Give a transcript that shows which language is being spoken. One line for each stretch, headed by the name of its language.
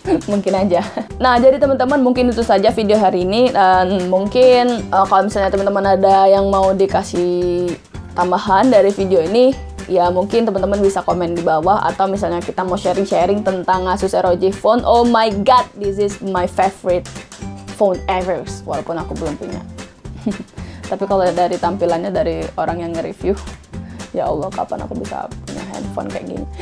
Indonesian: Mungkin aja. Nah, jadi teman-teman, mungkin itu saja video hari ini. Dan mungkin kalau misalnya teman-teman ada yang mau dikasih tambahan dari video ini, ya mungkin teman-teman bisa komen di bawah. Atau misalnya kita mau sharing-sharing tentang Asus ROG phone.
English: Oh my god, this is my favorite phone ever.
Indonesian: Walaupun aku belum punya. Tapi kalau dari tampilannya, dari orang yang nge-review, ya Allah, kapan aku bisa punya handphone kayak gini.